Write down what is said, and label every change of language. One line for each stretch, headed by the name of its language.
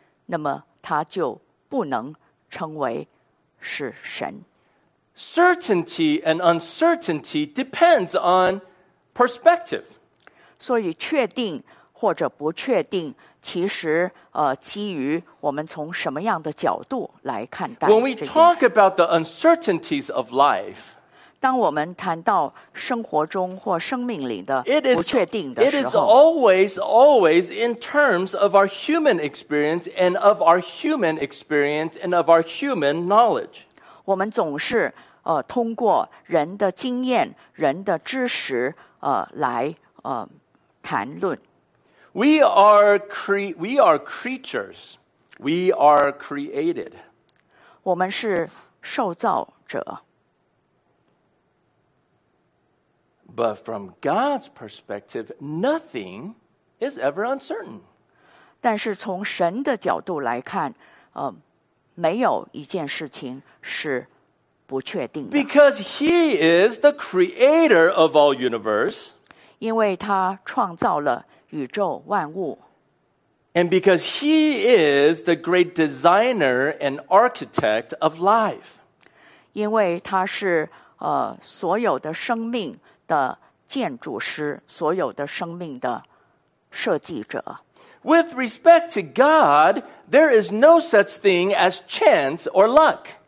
Chinese: 那么他就不能称为是神。
English: certainty and uncertainty depends on perspective.
Chinese: 所以确定或者不确定其实基于我们从什么样的角度来看待这件事。
English: When we talk about the uncertainties of life,
Chinese: 当我们谈到生活中或生命里的不确定的时候
English: it is always, always in terms of our human experience and of our human experience and of our human knowledge.
Chinese: 我们总是通过人的经验人的知识来谈论。
English: We are creatures. We are created.
Chinese: 我们是受造者。
English: But from God's perspective, nothing is ever uncertain.
Chinese: 但是从神的角度来看，没有一件事情是不确定的。
English: Because He is the creator of all universe.
Chinese: 因为他创造了宇宙万物。
English: And because he is the great designer and architect of life.
Chinese: 因为他是所有的生命的建筑师，所有的生命的设计者。
English: With respect to God, there is no such thing as chance or luck.